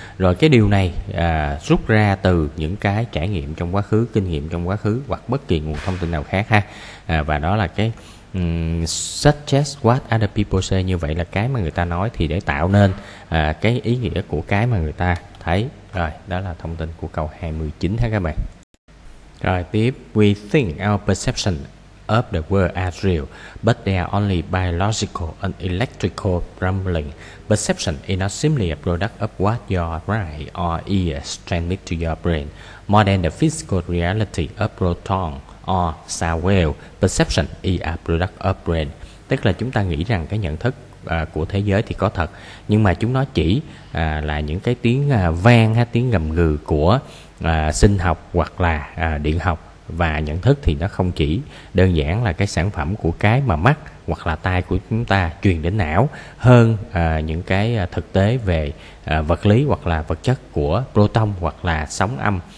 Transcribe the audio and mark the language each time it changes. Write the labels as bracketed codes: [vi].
[vi] Rồi cái điều này rút ra từ những cái trải nghiệm trong quá khứ, kinh nghiệm trong quá khứ hoặc bất kỳ nguồn thông tin nào khác ha. Và đó là cái [en] suggest what other people say. [vi] Như vậy là cái mà người ta nói thì để tạo nên cái ý nghĩa của cái mà người ta thấy. Rồi, đó là thông tin của câu 29 ha các bạn. Rồi, tiếp. [en] We think our perception of the world as real, but they are only biological and electrical rumbling. Perception is not simply a product of what your eye or ears transmit to your brain. More than the physical reality of proton or sound wave, perception is a product of brain. [vi] Tức là chúng ta nghĩ rằng cái nhận thức của thế giới thì có thật, nhưng mà chúng nó chỉ là những cái tiếng vang hay tiếng gầm gừ của sinh học hoặc là điện học. Và nhận thức thì nó không chỉ đơn giản là cái sản phẩm của cái mà mắt hoặc là tai của chúng ta truyền đến não, hơn những cái thực tế về vật lý hoặc là vật chất của proton hoặc là sóng âm.